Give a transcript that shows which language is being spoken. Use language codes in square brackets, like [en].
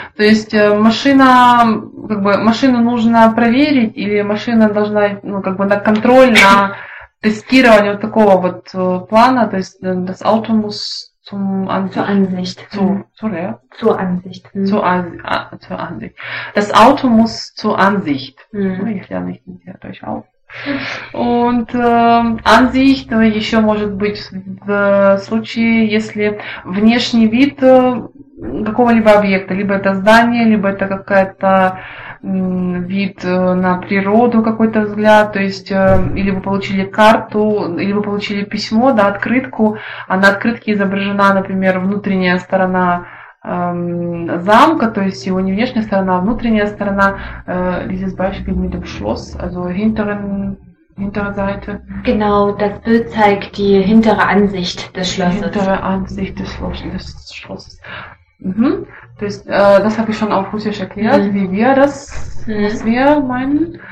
[ru] То есть машина, как бы машину нужно проверить или машина должна, ну как бы на контроль, на тестирование вот такого вот плана. То есть [de] das Auto muss zum Ansicht. Zur Ansicht. Zur Ansicht. Zur Ansicht. Das Auto muss zur Ansicht. Mhm. Ich lerne nicht mehr durch auch. [ru] Und Ansicht еще может быть в случае, если внешний вид какого-либо объекта, либо это здание, либо это какая-то вид на природу, какой-то взгляд, то есть или вы получили карту, или вы получили письмо, да, открытку, а на открытке изображена, например, внутренняя сторона замка, то есть его не внешняя сторона, а внутренняя сторона. [de] Dieses Beispiel mit dem Schloss, also hintere Seite. Genau, das Bild zeigt die hintere Ansicht des Schlosses. Hintere Ansicht des Schlosses. Das habe ich schon auf Russisch erklärt, wie wir das, was wir meinen.